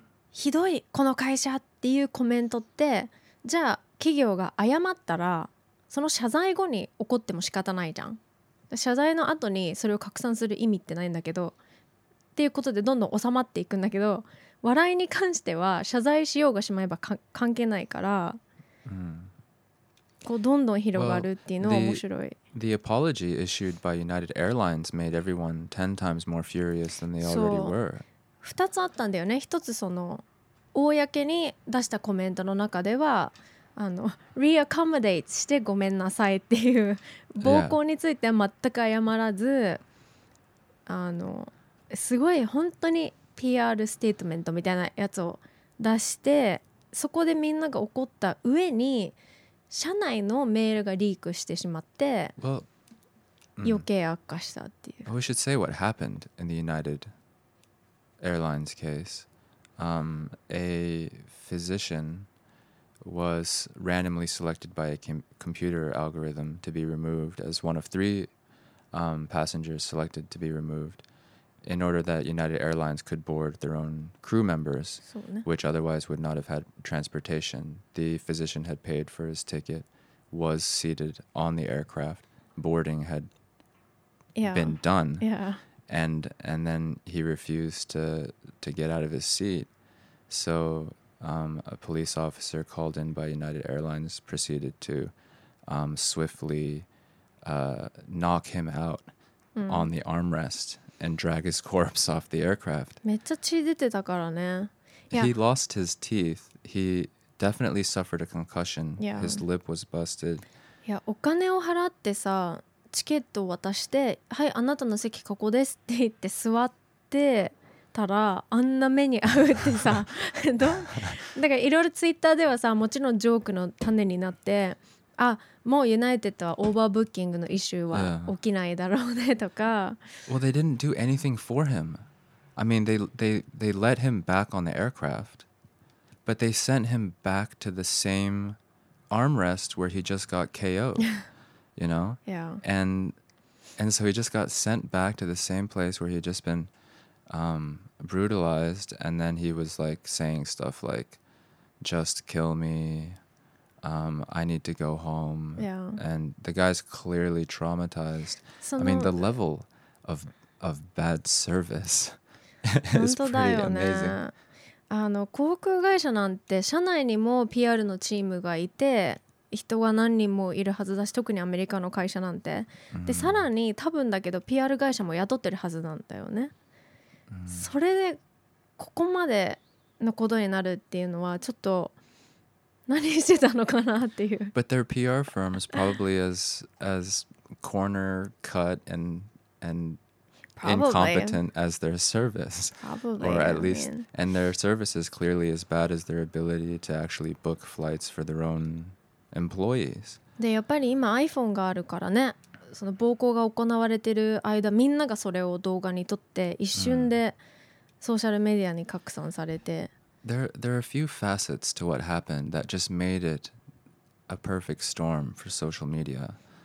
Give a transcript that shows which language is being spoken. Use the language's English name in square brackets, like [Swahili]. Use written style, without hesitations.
[Japanese] ひどいこの会社っていうコメントってじゃあ企業が謝ったらその謝罪後に怒っても仕方ないじゃん、謝罪の後にそれを拡散する意味ってないんだけどっていうことでどんどん収まっていくんだけど、笑いに関しては謝罪しようがしまえば関係ないから、 mm. こうどんどん広がるっていうのは面白い。 [English] Well, the apology issued by United Airlines made everyone 10 times more furious than they already were. [Japanese] 2つあったんだよね。1つその公に出したコメントの中ではあの reaccommodate してごめんなさいっていう暴行については全く謝らず、 [English] yeah. あの [Japanese] すごい本当に PR ステートメントみたいなやつを出して、そこでみんなが怒った上に社内のメールがリークしてしまって、 [English] well, [Japanese] 余計悪化したっていう、 [English] We should say what happened in the United Airlines case. A physician was randomly selected by a computer algorithm to be removed as one of three passengers selected to be removed in order that United Airlines could board their own crew members, which otherwise would not have had transportation. The physician had paid for his ticket, was seated on the aircraft, boarding had been done. And then he refused to get out of his seat. So a police officer called in by United Airlines proceeded to swiftly knock him out on the armrest and drag his corpse off the aircraft. [Japanese] めっちゃ血出てたからね。 [English] He lost his teeth. He definitely suffered a concussion. Yeah. His lip was busted. [Japanese] いや、お金を払ってさ、チケットを渡して、はい、あなたの席ここですって言って座ってたら、あんな目に遭うってさ、だからいろいろツイッターではさ、もちろんジョークの種になって、あ、もうユナイテッドはオーバーブッキングのイシューは起きないだろうねとか。 [English] Well, they didn't do anything for him. I mean, they let him back on the aircraft, but they sent him back to the same armrest where he just got KO'd. You know? Yeah. And so he just got sent back to the same place where he had just been brutalized, and then he was like saying stuff like, just kill me, I need to go home. Yeah. And the guy's clearly traumatized. I mean, the level of bad service is pretty amazing. [Japanese] あの、航空会社なんて社内にも PR のチームがいて、人が何人もいるはずだし、特にアメリカの会社なんて、でさらに多分だけど PR 会社も雇ってるはずなんだよね。それでここまでのことになるっていうのはちょっと何してたのかなっていう。 [English] But their PR firm is probably as corner cut and incompetent as their service. Probably. Or at least, and their service is clearly as bad as their ability to actually book flights for their own employees. [Japanese] でやっぱり今 iPhone があるからね、その暴行が行われてる間みんながそれを動画に撮って一瞬でソーシャルメディアに拡散されて、 [English] There are a few facets to what happened that just made it a perfect storm for social media.